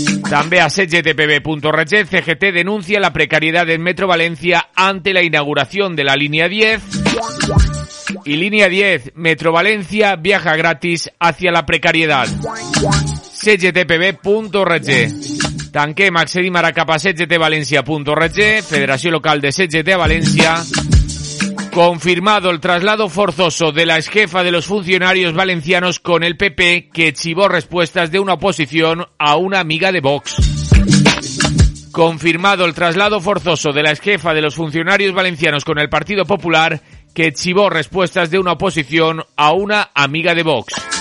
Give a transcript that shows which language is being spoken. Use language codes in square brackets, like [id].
[ca] També [es] a cgtpb.rg, CGT denuncia la precariedad del Metro Valencia ante la inauguración de la línea 10. Y línea 10, Metro Valencia viaja gratis hacia la precariedad. cgtpb.rg. [ca] Tanquem, accedim ara cap a cgtvalencia.rg, Federació Local de CGT a València. [es] Confirmado el traslado forzoso de la exjefa de los funcionarios valencianos con el PP, que chivó respuestas de una oposición a una amiga de Vox. Confirmado el traslado forzoso de la exjefa de los funcionarios valencianos con el Partido Popular, que chivó respuestas de una oposición a una amiga de Vox.